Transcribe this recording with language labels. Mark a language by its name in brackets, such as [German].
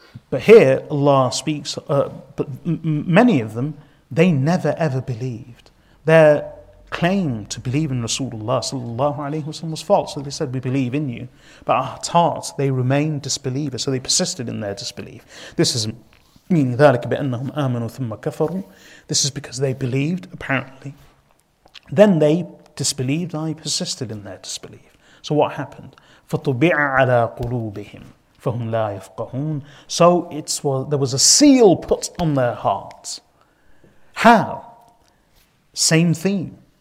[English] But here, Allah speaks, but many of them, they never ever believed. Their claim to believe in Rasulullah sallallahu alayhi wasallam was false. So they said, we believe in you. But at heart, they remained disbelievers. So they persisted in their disbelief. This is [Arabic] meaning ذلك بأنهم آمنوا ثم كفروا. [English] This is because they believed, apparently. Then they disbelieved, I persisted in their disbelief. So what happened? [Arabic] فَطُبِعَ عَلَىٰ قُلُوبِهِمْ فَهُمْ لَا يَفْقَهُونَ. [English] So it's, well, there was a seal put on their hearts. How? Same theme.